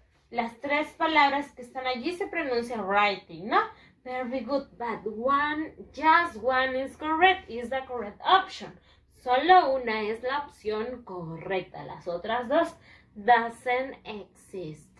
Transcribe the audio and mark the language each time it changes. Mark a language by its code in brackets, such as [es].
[es] Las tres palabras que están allí se pronuncian writing, ¿no? [en] Very good, but one, just one is correct, is the correct option. [es] Solo una es la opción correcta, las otras dos [en] doesn't exist.